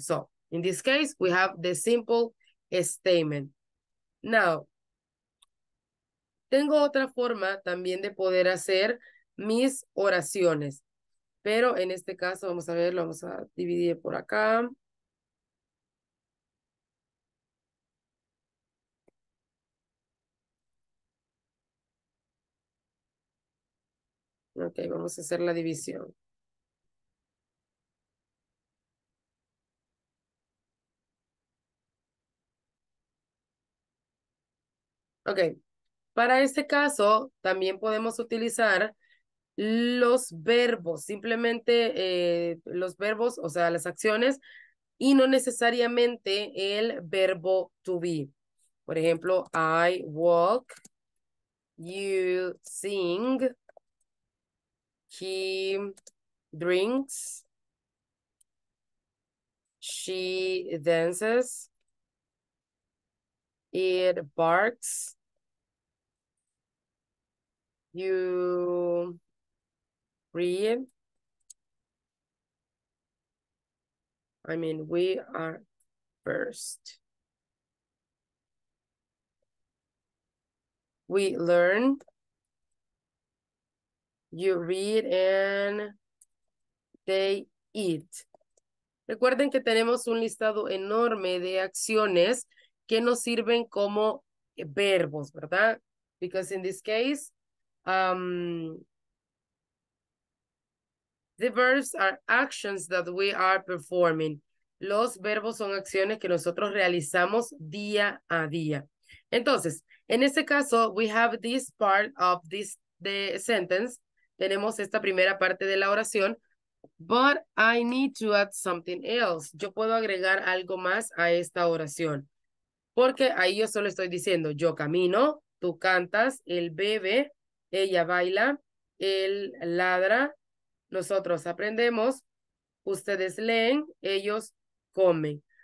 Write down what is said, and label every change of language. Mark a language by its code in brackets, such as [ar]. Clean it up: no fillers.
[en] So, in this case, we have the simple statement. [es] Now, tengo otra forma también de poder hacer mis oraciones. Pero en este caso, vamos a ver, lo vamos a dividir por acá. Ok, vamos a hacer la división. Ok, para este caso también podemos utilizar los verbos, simplemente los verbos, o sea, las acciones, y no necesariamente el verbo to be. Por ejemplo, [en] I walk, you sing, he drinks, she dances, it barks, you read, I mean, we are first, we learn, you read, and they eat. [es] Recuerden que tenemos un listado enorme de acciones que nos sirven como verbos, ¿verdad? [en] Because in this case, the verbs are actions that we are performing. [es] Los verbos son acciones que nosotros realizamos día a día. Entonces, en este caso, [en] we have this part of this the sentence. [es] Tenemos esta primera parte de la oración. [en] But I need to add something else. [es] Yo puedo agregar algo más a esta oración. Porque ahí yo solo estoy diciendo, yo camino, tú cantas, él bebe, ella baila, él ladra, nosotros aprendemos, ustedes leen, ellos comen.